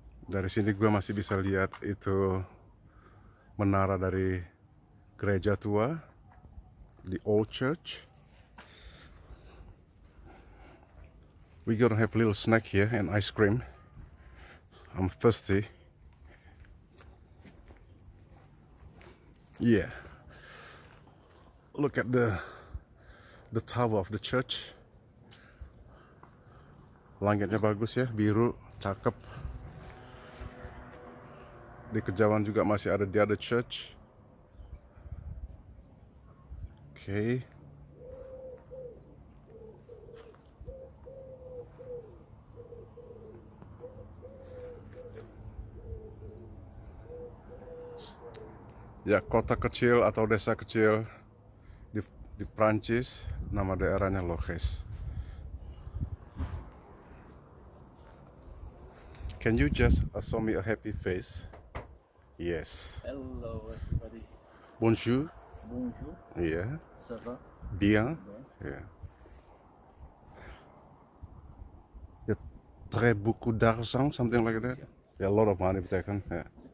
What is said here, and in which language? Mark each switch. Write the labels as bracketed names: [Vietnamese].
[Indonesian] Dari sini gue masih bisa lihat itu menara dari gereja tua, [English] the old church. We gonna have a little snack here and ice cream. I'm thirsty. Yeah. Look at the tower of the church. [Indonesian] Langitnya bagus ya, biru, cakep. Di kejauhan juga masih ada [English] the other church. Okay. [Indonesian] Ya, kota kecil atau desa kecil di Prancis, nama daerahnya Loches. [English] Can you just show me a happy face? Yes. Hello everybody. [French] Bonjour. Bonjour. [English] Yeah. [French] Ça va? Bien. Yeah. [English] Ya, [French] très beaucoup d'argent, [English] something like that. Yeah, a lot of money taken. Yeah.